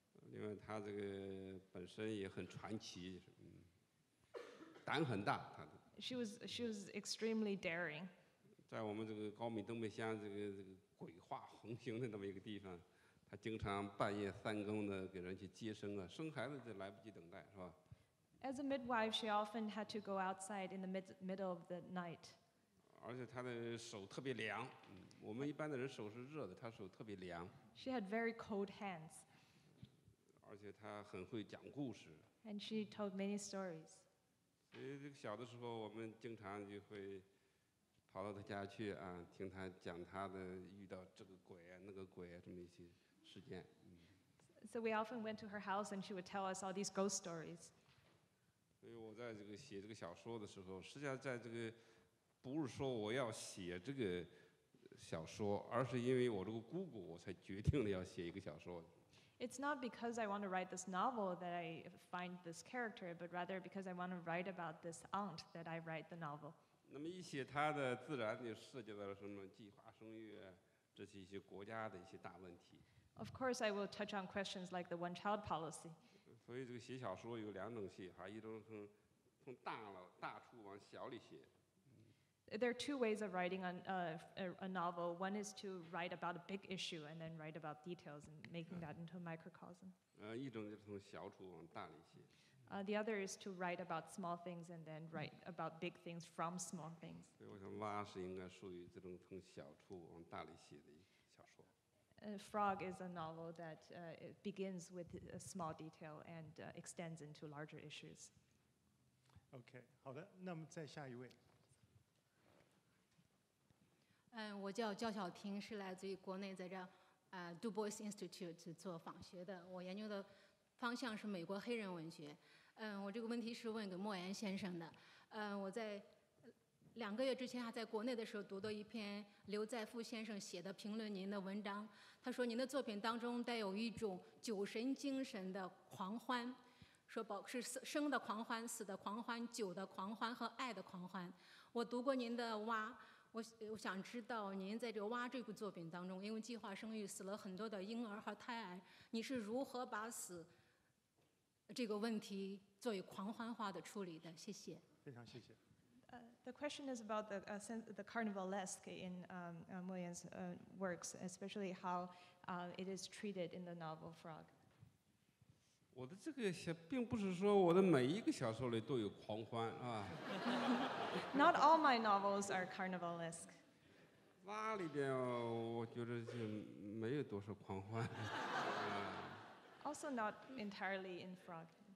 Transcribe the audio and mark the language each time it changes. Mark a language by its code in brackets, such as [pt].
[zh] 另外她这个本身也很传奇，胆很大，她的。 [en] She was extremely daring. [zh] 在我们这个高米东北乡这个鬼话横行的那么一个地方，她经常半夜三更的给人去接生啊，生孩子就来不及等待，是吧？ [en] As a midwife, she often had to go outside in the middle of the night. [zh] 而且她的手特别凉，我们一般的人手是热的，她手特别凉。 [en] She had very cold hands. [zh] 而且她很会讲故事。 [en] And she told many stories. [zh] 所以小的时候我们经常就会跑到她家去啊，听她讲她的遇到这个鬼啊那个鬼啊这么一些事件。 [en] So we often went to her house and she would tell us all these ghost stories. [zh] 所以我在这个写这个小说的时候，实际上在这个不是说我要写这个小说，而是因为我这个姑姑，我才决定了要写一个小说。 [en] It's not because I want to write this novel that I find this character, but rather because I want to write about this aunt that I write the novel. [zh] 那么一写她的，自然就涉及到了什么计划生育啊，这些一些国家的一些大问题。 [en] Of course, I will touch on questions like the one-child policy. [zh] 所以这个写小说有两种写法，一种从大处往小里写。 [en] There are two ways of writing a novel. One is to write about a big issue and then write about details and making that into a microcosm. [zh] 一种就是从小处往大里写。 [en] The other is to write about small things and then write about big things from small things. [zh] 所以我想蛙是应该属于这种从小处往大里写的小说。 [en] Frog is a novel that it begins with a small detail and extends into larger issues. [zh] Okay, 好的，那么再下一位。我叫焦小婷，是来自于国内，在这Du Bois Institute 做访学的。我研究的方向是美国黑人文学。我这个问题是问给莫言先生的。我在两个月之前还在国内的时候读到一篇刘在富先生写的评论您的文章，他说您的作品当中带有一种酒神精神的狂欢，说宝是生的狂欢、死的狂欢、酒的狂欢和爱的狂欢。我读过您的《蛙》，我想知道您在这《蛙》这部作品当中，因为计划生育死了很多的婴儿和胎儿，你是如何把死这个问题作为狂欢化的处理的？谢谢。非常谢谢。 [en] The question is about the carnivalesque in Moyen's works, especially how it is treated in the novel Frog. [zh] 我的这个小并不是说我的每一个小说里都有狂欢啊。 [en] Not all my novels are carnivalesque. [zh] 蛙里边我觉得就没有多少狂欢。 [en] Also not entirely in Frog.